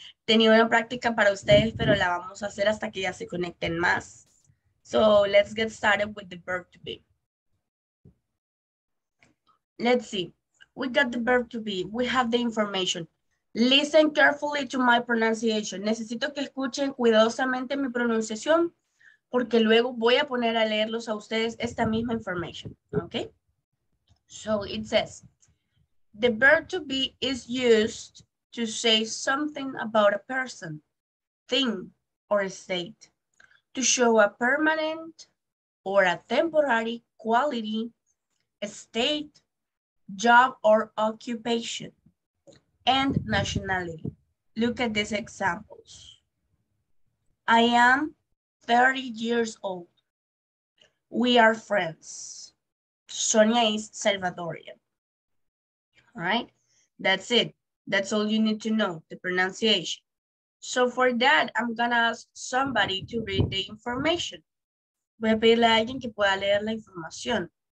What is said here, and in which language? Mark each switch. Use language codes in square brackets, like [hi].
[es] Tenía una práctica para ustedes, pero la vamos a hacer hasta que ya se conecten más. [en] So let's get started with the verb to be. Let's see, we got the verb to be, we have the information. Listen carefully to my pronunciation. [es] Necesito que escuchen cuidadosamente mi pronunciación porque luego voy a poner a leerlos a ustedes esta misma información, okay? [en] So it says, the verb to be is used to say something about a person, thing, or a state, to show a permanent or a temporary quality, a state, job or occupation, and nationality. Look at these examples. I am 30 years old. We are friends. Sonia is Salvadorian. All right, that's it. That's all you need to know, the pronunciation. So for that, I'm gonna ask somebody to read the information. [es] Voy a pedirle a alguien que pueda leer la información.